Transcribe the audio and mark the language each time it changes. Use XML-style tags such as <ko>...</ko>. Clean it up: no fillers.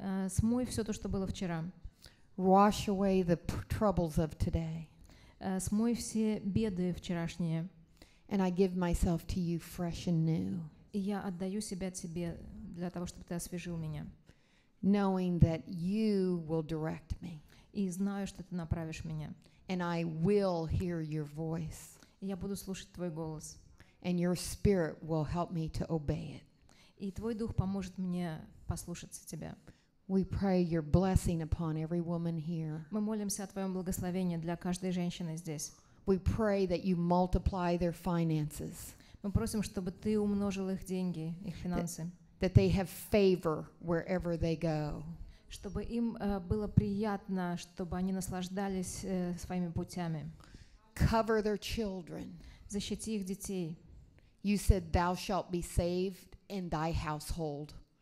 <ru>Смой все то, что было вчера.</ru> <en>Wash away the troubles of today.</en> <ru>Смой все беды вчерашние.</ru> <en>And I give myself to you fresh and new.</en> <ru>И я отдаю себя тебе для того, чтобы ты освежил меня.</ru> <en>Knowing that you will direct me.</en> <ru>И знаю, что ты направишь меня.</ru> <en>And I will hear your voice.</en> <ru>И я буду слушать твой голос.</ru> <en>And your spirit will help me to obey it.</en> <ru>И твой дух поможет мне послушаться тебя.</ru> <en>We pray your blessing upon every woman here.</en> <ru>Мы молимся о твоем благословении для каждой женщины здесь.</ru> <en>We pray that you multiply their finances.</en> <ru>Мы просим, чтобы ты умножил их деньги, их финансы.</ru> <en>That they have favor wherever they go.</en> <ru>Чтобы им было приятно, чтобы они наслаждались своими путями.</ru> <en>Cover their children.</en> <ru>Защити их детей.</ru> <en>You said, "Thou shalt be saved in thy household."</en>